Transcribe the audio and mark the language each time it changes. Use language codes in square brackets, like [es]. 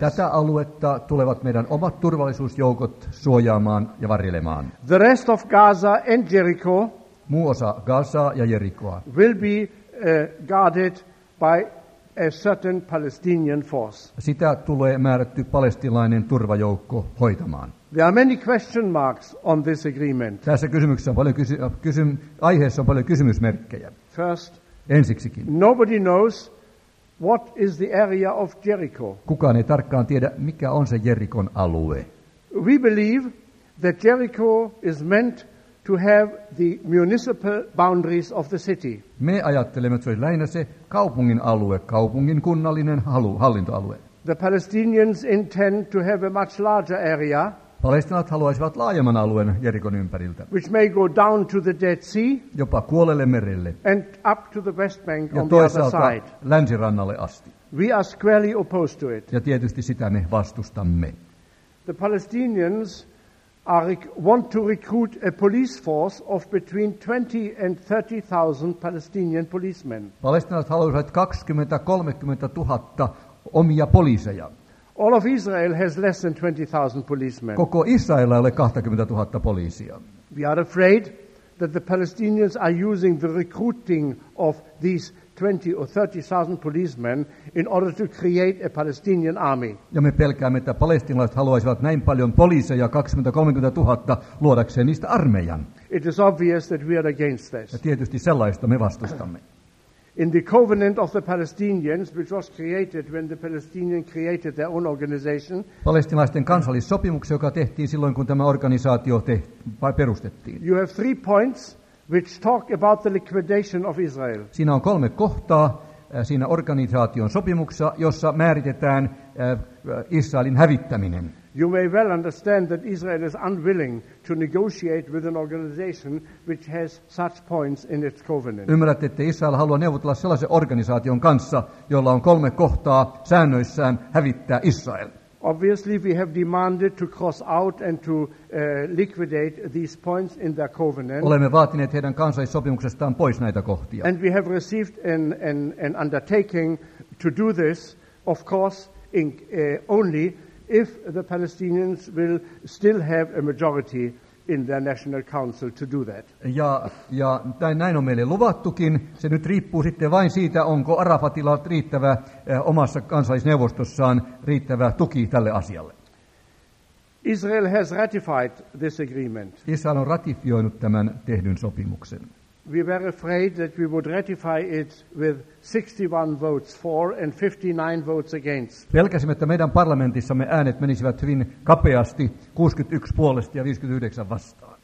[fi] Tätä aluetta tulevat meidän omat turvallisuusjoukot suojaamaan ja varjelemaan. [en] The rest of Gaza and Jericho. [fi] Muu osa Gazaa ja Jerikoa. [en] Will be guarded by a certain Palestinian force. [fi] Sitä tulee määrätty palestiinalainen turvajoukko hoitamaan. [en] There are many question marks on this agreement. [fi] Tässä kysymyksessä on paljon aiheessa on paljon kysymysmerkkejä. [en] First, [fi] ensiksikin. [en] Nobody knows what is the area of Jericho. [fi] Kukaan ei tarkkaan tiedä, mikä on se Jerikon alue. [en] We believe that Jericho is meant to have the municipal boundaries of the city. [fi] Me ajattelemme, että se olisi lähinnä se kaupungin alue, kaupungin kunnallinen hallintoalue. [en] The Palestinians intend to have a much larger area. [fi] Palestinat haluaisivat laajemman alueen Jerikon ympäriltä. [en] Which may go down to the Dead Sea. [fi] Jopa Kuolelle merelle. [en] And up to the West Bank on the other side. [fi] Ja toisaalta länsirannalle asti. [en] We are squarely opposed to it. [fi] Ja tietysti sitä me vastustamme. [en] The Palestinians want to recruit a police force of between 20 and 30,000 Palestinian policemen. [fi] Palestinat haluaisivat 20,000–30,000 omia poliiseja. [en] All of Israel has less than 20,000 policemen. [fi] Koko Israelilla ei ole 20,000 poliisia. [en] We are afraid that the Palestinians are using the recruiting of these 20 or 30,000 policemen in order to create a Palestinian army. [fi] Ja me pelkäämme, että palestinalaiset haluaisivat näin paljon poliiseja, 20-30,000 luodakseen niistä armeijan. [en] It is obvious that we are against this. [fi] Ja tietysti sellaista me vastustamme. [en] In the covenant of the Palestinians, which was created when the Palestinians created their own organization. [fi] Palestinaisten kansallissopimus, joka tehtiin silloin, kun tämä organisaatio perustettiin. [en] You have three points which talk about the liquidation of Israel. [fi] Siinä on kolme kohtaa siinä organisaation sopimuksessa, jossa määritetään Israelin hävittäminen. [en] You may well understand that Israel is unwilling to negotiate with an organization which has such points in its covenant. [fi] Ymmärrätte, että Israel haluaa neuvotella sellaisen organisaation kanssa, jolla on kolme kohtaa säännöissään hävittää Israel. [en] Obviously we have demanded to cross out and to liquidate these points in their covenant. [fi] Olemme vaatineet heidän kansallissopimuksestaan pois näitä kohtia. [en] And we have received an undertaking to do this, of course, only if the Palestinians will still have a majority in their national council to do that. [fi] Ja näin on meille luvattukin. Se nyt riippuu sitten vain siitä, onko Arafatilla riittävä omassa kansallisneuvostossaan riittävä tuki tälle asialle. [en] Israel has ratified this agreement. [fi] Israel on ratifioinut tämän tehdyn sopimuksen. [en] We were afraid that we would ratify it with 61 votes for and 59 votes against. [fi] Pelkäsimme, että meidän parlamentissamme äänet menisivät hyvin kapeasti, 61 puolesta ja 59 vastaan.